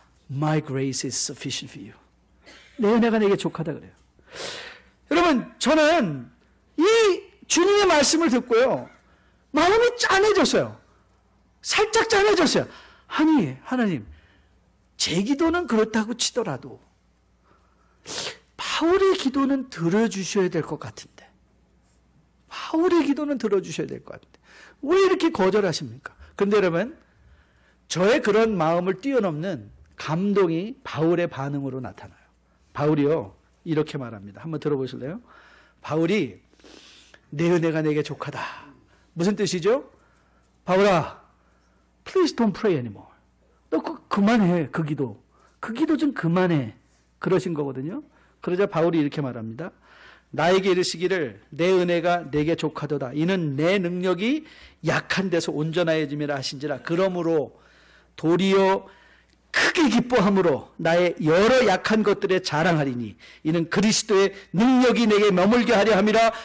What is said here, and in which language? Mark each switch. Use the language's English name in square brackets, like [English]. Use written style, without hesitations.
[English] My grace is sufficient for you. [Korean] 내 은혜가 내게 족하다 그래요. 여러분, 저는 이 주님의 말씀을 듣고요, 마음이 짠해졌어요. 살짝 짠해졌어요. 아니, 하나님, 제 기도는 그렇다고 치더라도 바울의 기도는 들어주셔야 될 것 같은데. 바울의 기도는 들어주셔야 될 것 같은데. 왜 이렇게 거절하십니까? 그런데 여러분, 저의 그런 마음을 뛰어넘는 감동이 바울의 반응으로 나타나요. 바울이요, 이렇게 말합니다. 한번 들어보실래요? 바울이 내 은혜가 내게 족하다. 무슨 뜻이죠? [English] 바울아, please don't pray anymore. [Korean] 너 그만해, 그 기도. 그 기도 좀 그만해. 그러신 거거든요. 그러자 바울이 이렇게 말합니다. 나에게 이르시기를 내 은혜가 내게 족하도다. 이는 내 능력이 약한 데서 온전하여짐이라 하신지라. 그러므로 도리어 크게 기뻐함으로 나의 여러 약한 것들에 자랑하리니 이는 그리스도의 능력이 내게 머물게 하려 함이라.